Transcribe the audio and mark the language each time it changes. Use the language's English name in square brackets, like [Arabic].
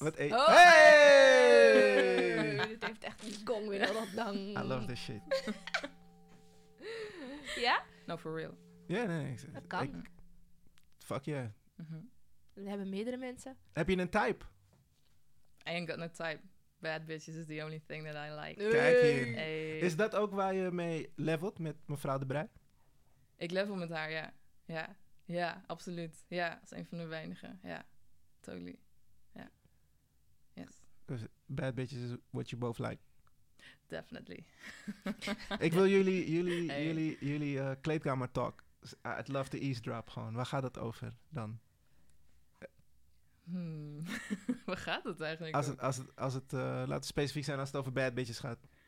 [Dutch] Hey! Dit heeft echt een gong weer al dat lang. [English] I love this shit. [Dutch] Ja? [English] No, for real. [Dutch] Ja, yeah, nee. Dat kan. [English] Fuck yeah. Mm-hmm. [Dutch] We hebben meerdere mensen. Heb je een type? [English] I ain't got no type. Bad bitches is the only thing that I like. [Dutch] Kijk hier. Hey. Is dat ook waar je mee levelt met mevrouw De Brij? Ik level met haar, ja. Ja. Ja, absoluut. Ja, dat is een van de weinigen. [English] Ja, totally. Ja. Yes. Because bad bitches is what you both like. Definitely. [Dutch] Ik wil jullie kleedkamer talk. [English] I'd love to eavesdrop [Dutch] gewoon. Waar gaat het over dan? Waar gaat het eigenlijk over? Laat het specifiek zijn als het over bad bitches gaat.